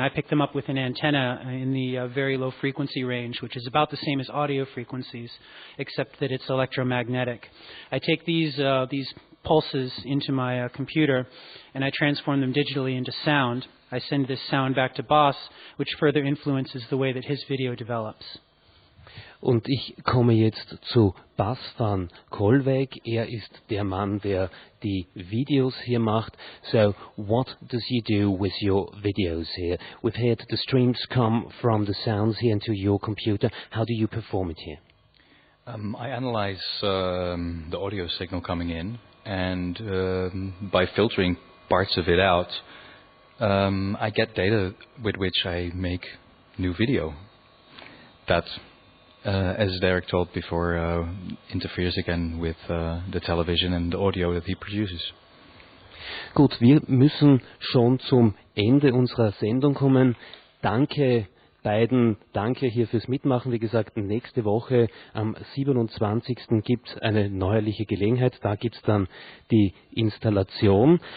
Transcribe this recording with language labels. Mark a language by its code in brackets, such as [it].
[en] I pick them up with an antenna in the very low frequency range, which is about the same as audio frequencies, except that it's electromagnetic. I take these pulses into my computer, and I transform them digitally into sound. I send this sound back to Boss, which further influences the way that his video develops. [de] Und ich komme jetzt zu Bas van Kolwijk. Er ist der Mann, der die Videos hier macht. [en] So, what does he do with your videos here? We've heard the streams come from the sounds here into your computer. How do you perform it here? I analyze the audio signal coming in, and by filtering parts of it out, I get data with which I make new video that, as Derek told before, interferes again with the television and the audio that he produces. [de] Gut, wir müssen schon zum Ende unserer Sendung kommen. Danke beiden, danke hier fürs Mitmachen. Wie gesagt, nächste Woche am 27. gibt es eine neuerliche Gelegenheit. Da gibt es dann die Installation.